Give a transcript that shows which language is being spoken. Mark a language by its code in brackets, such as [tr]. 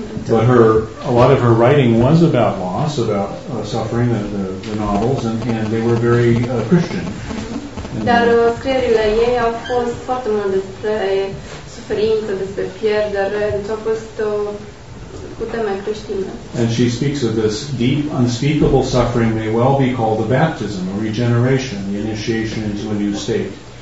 [en] But a lot of her writing was about loss, about suffering, the novels, and they were very Christian. [ro] Dar scrierile ei au fost foarte mult despre suferință, despre pierdere, deci au fost cu teme creștine. [en] And she speaks of this deep, unspeakable suffering may well be called the baptism, a regeneration, the initiation into a new state.